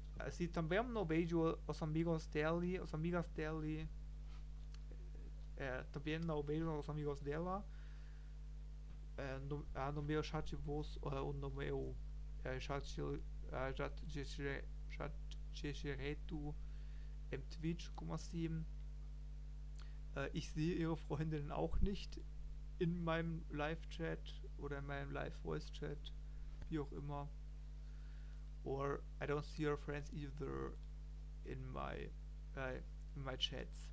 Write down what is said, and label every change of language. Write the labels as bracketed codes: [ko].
[es] Si también no veo los amigos de él, los amigas de él, también no veo los amigos de ella, no veo chat de voz o no veo chat de en Twitch, como así. [de] Ich sehe ihre Freundin auch nicht in meinem Live-Chat oder in meinem Live-Voice-Chat, wie auch immer. [en] Or I don't see her friends either in my chats.